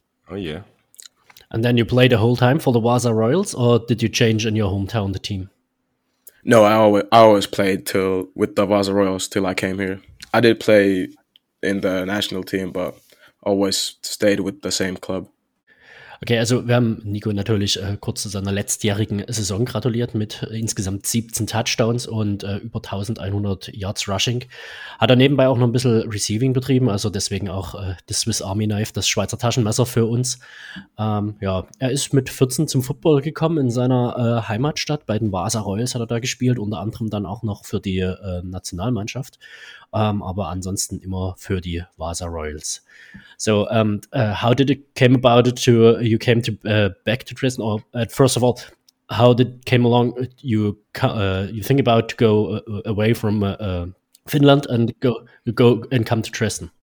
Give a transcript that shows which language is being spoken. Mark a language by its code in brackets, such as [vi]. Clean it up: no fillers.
[en] Oh yeah. And then you played the whole time for the Vaasa Royals, or did you change in your hometown the team? No, I always played with the Vaasa Royals till I came here. I did play in the national team, but always stayed with the same club. [de] Okay, also wir haben Nico natürlich kurz zu seiner letztjährigen Saison gratuliert mit insgesamt 17 Touchdowns und über 1100 Yards Rushing. Hat er nebenbei auch noch ein bisschen Receiving betrieben, also deswegen auch das [en] Swiss Army Knife, [de] das Schweizer Taschenmesser für uns. Er ist mit 14 zum Football gekommen in seiner Heimatstadt. Bei den Vaasa Royals hat er da gespielt, unter anderem dann auch noch für die Nationalmannschaft. Aber ansonsten immer für die Vaasa Royals. [en] So, how did it came about it to you came to back to Dresden? Or first of all, how did it came along? You think about to go away from Finland and go and come to Dresden?